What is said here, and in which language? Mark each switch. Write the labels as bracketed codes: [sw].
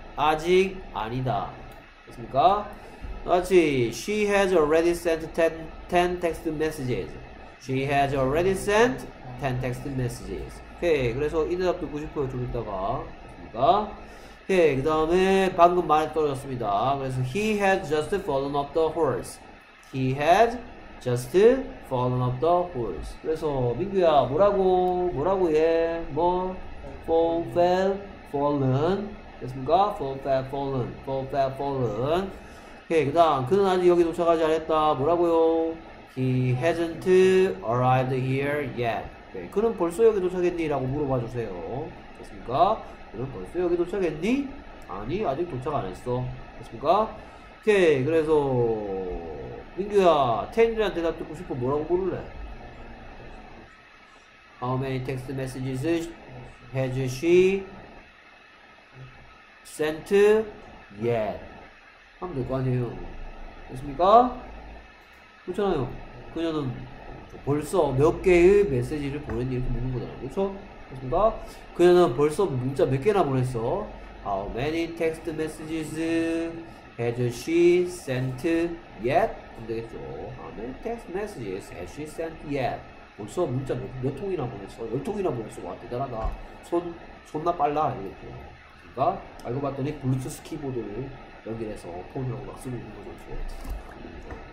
[ko] 아직 아니다. 됐습니까? 그렇지. [en] She has already sent 10 text messages. She has already sent 10 text messages. 오케이. [ko] 그래서 이 대답 듣고 싶어요. 좀 이따가. 됐습니까? 오케이. 그 다음에 방금 말이 떨어졌습니다. [en] 그래서 He has just fallen off the horse. He had just fallen off the horse. [ko] 그래서 민규야 뭐라고 해? [en] 뭐? Fall, fell, fallen. [ko] 됐습니까? [en] Fall, fell, fallen. Fall, fell, fallen. 오케이. [ko] 그 다음 그는 아직 여기 도착하지 않았다. 뭐라고요? [en] He hasn't arrived here yet. 오케이. [ko] 그는 벌써 여기 도착했니? 라고 물어봐주세요. 됐습니까? 그는 벌써 여기 도착했니? 아니 아직 도착 안 했어. 됐습니까? 오케이. 그래서 민규야, 텐이랑 대답 듣고 싶어. 뭐라고 부를래? [en] How many text messages has she sent yet? [ko] 하면 될 거 아니에요. 됐습니까? 그렇잖아요. 그녀는 벌써 몇 개의 메시지를 보냈니? 이렇게 묻는 거잖아요. 그쵸? 됐습니까? 그녀는 벌써 문자 몇 개나 보냈어? [en] How many text messages has she sent yet? [ko] 되겠죠. [en] How many text messages has she sent yet? [ko] 벌써 문자 몇 통이나 보냈어? 10통이나 보냈어. 와, 대단하다. 손나 빨라. 이랬죠. 그니까, 알고 봤더니, 블루투스 키보드를 연결해서 폰으로 막 쓰고 있는 거죠.